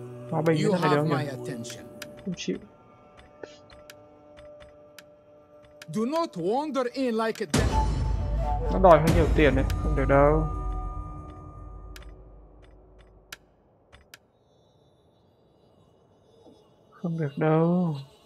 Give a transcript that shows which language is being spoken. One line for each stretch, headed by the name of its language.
Vietnamese: Hòa bình với thằng này được không nhỉ? Không chịu.
English: Do not wander in like a devil.
Vietnamese: Nó đòi hơi nhiều tiền đấy, không được đâu. Không được đâu.